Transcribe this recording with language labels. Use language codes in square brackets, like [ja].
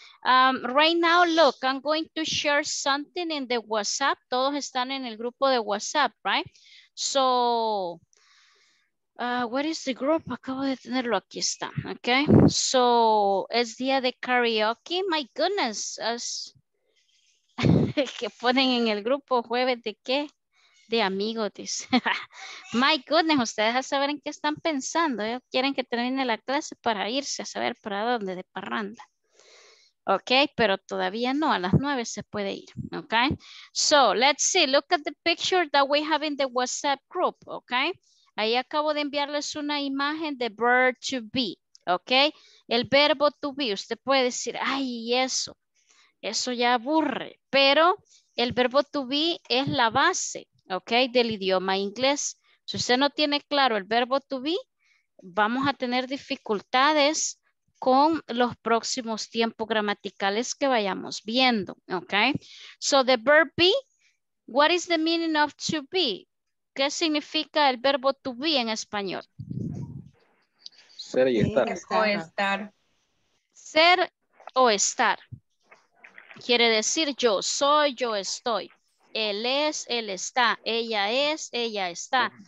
[en] Right now, look, I'm going to share something in the WhatsApp. [es] Todos están en el grupo de WhatsApp, [en] right? So, where is the group? [es] Acabo de tenerlo, aquí está, okay? So, es día de karaoke. [en] My goodness, [es] as que ponen en el grupo jueves de qué? De amigos. [en] My goodness, [es] ustedes a saber en qué están pensando. ¿Eh? Quieren que termine la clase para irse a saber para dónde, de parranda. Ok, pero todavía no, a las 9 se puede ir, ok. [en] So, let's see, look at the picture that we have in the WhatsApp group, ok. [es] Ahí acabo de enviarles una imagen de verb to be, ok. El verbo to be, usted puede decir, ay, eso ya aburre. Pero el verbo to be es la base, ok, del idioma inglés. Si usted no tiene claro el verbo to be, vamos a tener dificultades con los próximos tiempos gramaticales que vayamos viendo, ¿ok? [en] So the verb be, what is the meaning of to be? [es] ¿Qué significa el verbo to be en español? Ser y estar. O estar. Ser o estar. Quiere decir yo soy, yo estoy. Él es, él está. Ella es, ella está.